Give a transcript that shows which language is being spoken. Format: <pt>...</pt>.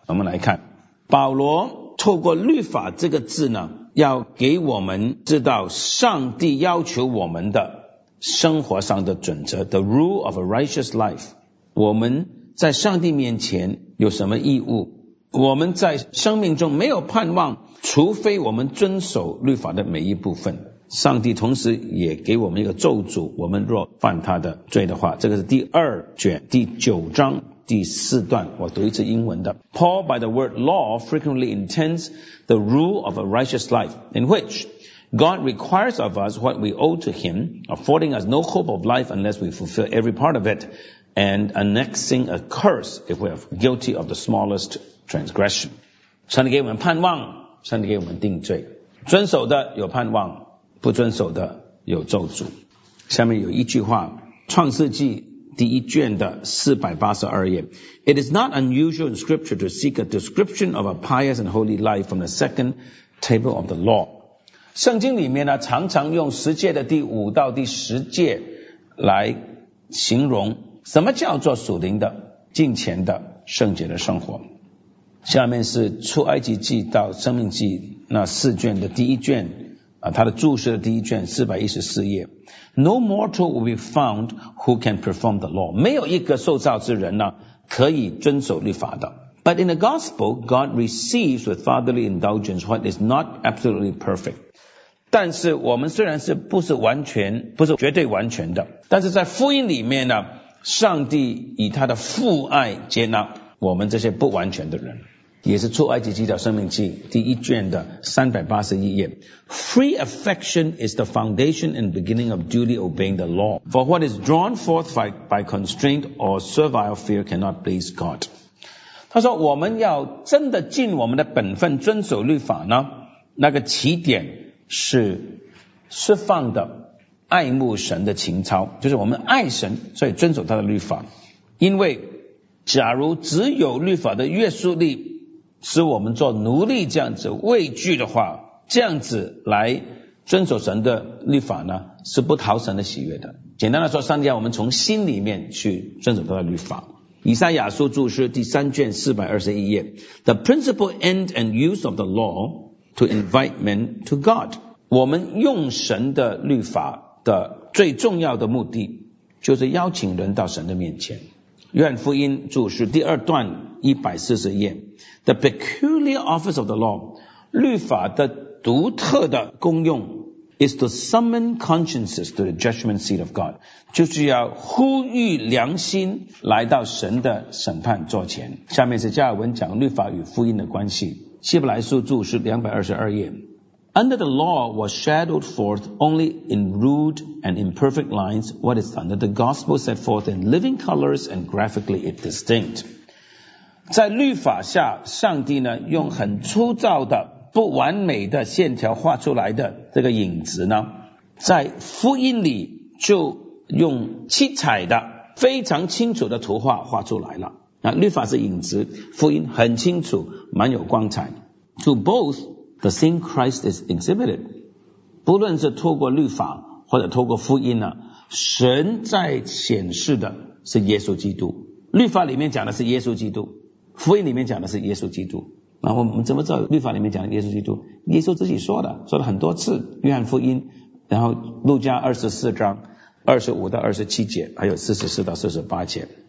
<zh>我们来看，保罗透过律法这个字呢，要给我们知道上帝要求我们的生活上的准则</zh> <en>The rule of a righteous life，</en> <zh>我们在上帝面前有什么义务，我们在生命中没有盼望，除非我们遵守律法的每一部分。上帝同时也给我们一个咒诅，我们若犯他的罪的话，这个是第二卷第九章第四段，我读一次英文的。</zh> <en>Paul by the word law frequently intends the rule of a righteous life in whichGod requires of us what we owe to Him, affording us no hope of life unless we fulfill every part of it, and annexing a curse if we are guilty of the smallest transgression.</en> <zh>上帝给我们盼望，上帝给我们定罪。遵守的有盼望，不遵守的有咒诅。下面有一句话，创世纪第一卷的482页。</zh> <en>It is not unusual in Scripture to seek a description of a pious and holy life from the second table of the law.</en> <zh>圣经里面呢，常常用十诫的第五到第十诫来形容什么叫做属灵的、敬虔的、圣洁的生活。下面是出埃及记到生命记那四卷的第一卷啊，它的注释的第一卷414页。</zh> <en>No mortal will be found who can perform the law，</en> <zh>没有一个受造之人呢可以遵守律法的。</zh> <en>But in the gospel, God receives with fatherly indulgence what is not absolutely perfect.</en> <zh>但是我们虽然是不是完全，不是绝对完全的，但是在福音里面呢，上帝以他的父爱接纳我们这些不完全的人。也是出埃及记的生命记第一卷的381页。</zh> <en>Free affection is the foundation and beginning of duly obeying the law. For what is drawn forth by constraint or servile fear cannot please God.</en> <zh>他说我们要真的尽我们的本分遵守律法呢，那个起点是释放的爱慕神的情操，就是我们爱神，所以遵守他的律法。因为假如只有律法的约束力使我们做奴隶这样子畏惧的话，这样子来遵守神的律法呢，是不讨神的喜悦的。简单的说，上帝要我们从心里面去遵守他的律法。以赛亚书注释第三卷421页。</zh> <en>The principal end and use of the lawTo invite men to God.</en> <zh>我们用神的律法的最重要的目的就是邀请人到神的面前。约翰福音注释第二段140页。</zh> <en>The peculiar office of the law,</en> <zh>律法的独特的功用</zh> <en>is to summon consciences to the judgment seat of God.</en> <zh>就是要呼吁良心来到神的审判座前。下面是加尔文讲律法与福音的关系。希伯来书注释222页。</zh> <en>Under the law was shadowed forth only in rude and imperfect lines what is under the gospel set forth in living colors and graphically it distinct.</en> <zh>在律法下，上帝呢用很粗糙的不完美的线条画出来的这个影子呢，在福音里就用七彩的非常清楚的图画画出来了。那律法是影子，福音很清楚，蛮有光彩。</zh> <en>To both, the same Christ is exhibited.</en> <zh>不论是透过律法或者透过福音呢，神在显示的是耶稣基督。律法里面讲的是耶稣基督，福音里面讲的是耶稣基督。那我们怎么知道律法里面讲的耶稣基督？耶稣自己说的，说了很多次，约翰福音，然后路加24章25到27节，还有44到48节。</zh>